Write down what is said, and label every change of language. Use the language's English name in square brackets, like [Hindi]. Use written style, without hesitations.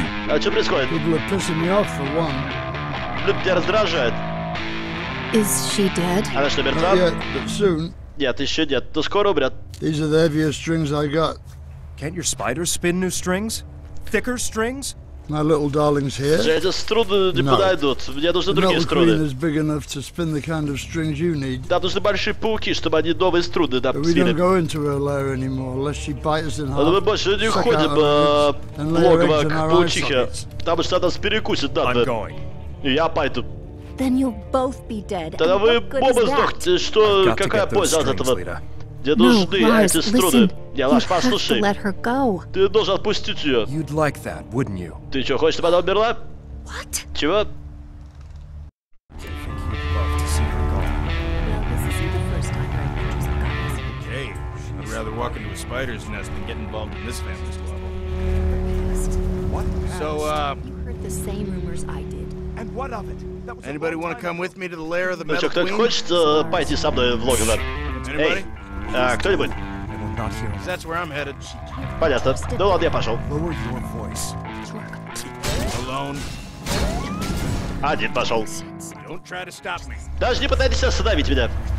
[Russian] А что происходит? Люди тебя раздражают. [English] Is she dead? [Russian] Она что, мертва? [English] Not yet, but soon. [Russian] Нет, еще нет. Но скоро умрет. [English] These are the heaviest strings I got. Can't your spider spin new strings? Thicker strings? My little darling's here? [Russian] Же эти струны не подойдут. Мне нужны [English] the [Russian] другие струны. [English] Queen is big enough to spin the kind of strings you need. [Russian] Нам нужны большие пауки, чтобы они новые струны нам свили. [English] We don't go into her lair anymore, unless she bites us in half. [Russian] Но мы больше не уходим в логово к паучихе. Потому что она нас перекусит, да. [English] I'm going. [Russian] И я пойду. [English] Then you'll both be dead. [Russian] Тогда вы оба сдохнете. Что, какая польза от этого? Где нужны эти струны? Я вас послушаю. Ты должен отпустить ее. [English] You'd like that, wouldn't you? [Russian] Ты что, хочешь, чтобы она умерла? [English] What? [Russian] Чего? [English] Okay, I'd rather walk into a spider's nest and get involved in this family squabble. The past. What the past? So, heard the same rumors I did. And what of it? That was anybody want to come with me to the lair of the Metal Queen? [Russian] Кто-нибудь хочет пойти со мной в логово? [English] Anybody? [Russian] Кто-нибудь? [English] That's where I'm headed. [Russian] Понятно. Ну ладно, я пошел. [English] Lower your voice. Alone. [Russian] Один пошел. [English] Don't try to stop me. [Russian] Даже не пытайтесь остановить меня.